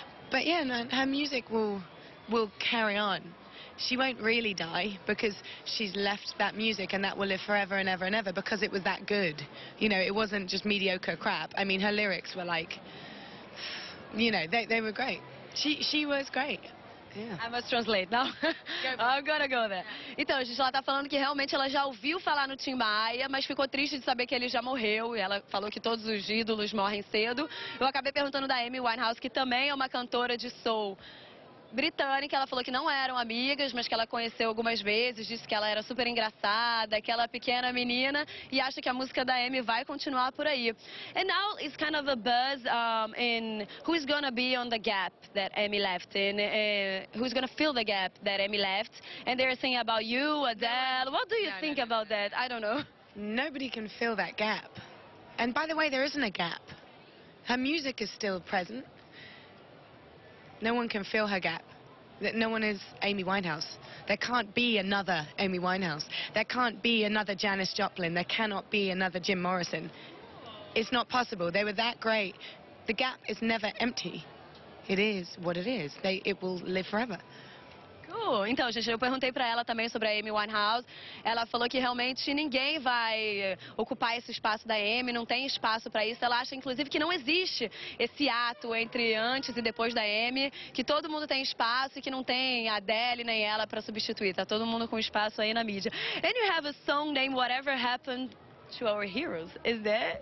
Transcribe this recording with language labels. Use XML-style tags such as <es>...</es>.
<en>But yeah, her music will carry on. She won't really die because she's left that music and that will live forever and ever and ever because it was that good. You know, it wasn't just mediocre crap. I mean, her lyrics were like, you know, they were great. She was great. Yeah. I must translate now. I'm gonna go there.</en> <pt>Então, gente, ela tá falando que realmente ela já ouviu falar no Tim Maia, mas ficou triste de saber que ele já morreu. E ela falou que todos os ídolos morrem cedo. Eu acabei perguntando da Amy Winehouse, que também é uma cantora de soul. britânica, ela falou que não eram amigas, mas que ela conheceu algumas vezes, disse que ela era super engraçada, aquela pequena menina, e acha que a música da Amy vai continuar por aí.</pt> <en>And now it's kind of a buzz in who's gonna be on the gap that Amy left, and who's gonna fill the gap that Amy left, and they're saying about you, Adele, what do you think about that? I don't know. Nobody can fill that gap. And by the way, there isn't a gap. Her music is still present. No one can fill her gap. No one is Amy Winehouse. There can't be another Amy Winehouse. There can't be another Janis Joplin. There cannot be another Jim Morrison. It's not possible. They were that great. The gap is never empty. It is what it is. It will live forever.</en> <pt>Então, gente, eu perguntei pra ela também sobre a Amy Winehouse. Ela falou que realmente ninguém vai ocupar esse espaço da Amy, não tem espaço pra isso. Ela acha, inclusive, que não existe esse ato entre antes e depois da Amy, que todo mundo tem espaço e que não tem a Adele nem ela pra substituir. Tá todo mundo com espaço aí na mídia.</pt> <en>And you have a song named Whatever Happened to Our Heroes, is that?</en>